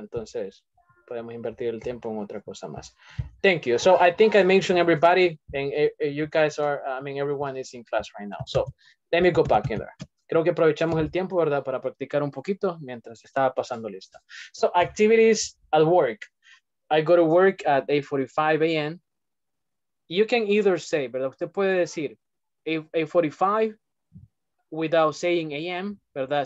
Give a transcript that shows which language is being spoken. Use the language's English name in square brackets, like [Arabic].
[Spanish] Entonces, podemos invertir el tiempo en otra cosa más. [English] Thank you. So I think I mentioned everybody, and you guys are, I mean, everyone is in class right now. So let me go back in there. [Spanish] Creo que aprovechamos el tiempo, ¿verdad? Para practicar un poquito mientras estaba pasando lista. [English] So activities at work. I go to work at 8:45 a.m. You can either say, ¿verdad? [Spanish] Usted puede decir 8:45 [English] without saying a.m., [Spanish] ¿verdad?